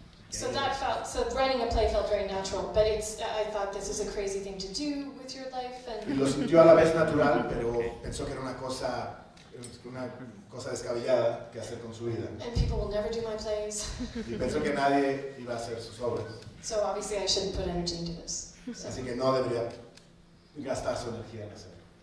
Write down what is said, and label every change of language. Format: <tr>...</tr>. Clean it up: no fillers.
<en>So writing a play felt very natural, but I thought this is a crazy thing to do with your life.</en> <es>Y lo sintió a la vez natural, pero pensó que era una cosa descabellada que hacer con su vida.</es> <en>And people will never do my plays.</en> <es>Y pensó que nadie iba a hacer sus obras.</es> <en>So obviously I shouldn't put energy into this. So.</en> <es>Así que no debería gastar su energía en hacerlo.</es>